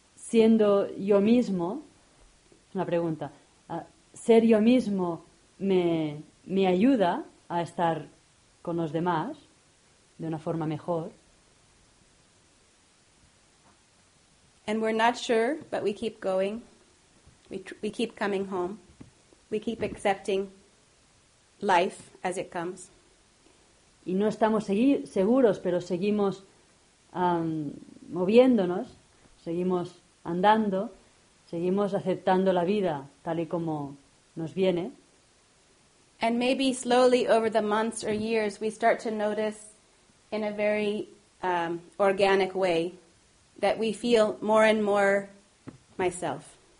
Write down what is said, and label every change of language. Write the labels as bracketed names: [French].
[Spanish] Siendo yo mismo, es una pregunta, ser yo mismo me ayuda a estar con los demás de una forma mejor. [English] And we're not sure, but we keep going. We keep coming home. We keep accepting life as it comes. [Spanish] Y no estamos seguros, pero seguimos moviéndonos, seguimos andando, seguimos aceptando la vida tal y como nos viene. [English] And maybe slowly over the months or years we start to notice in a very organic way that we feel more and more myself.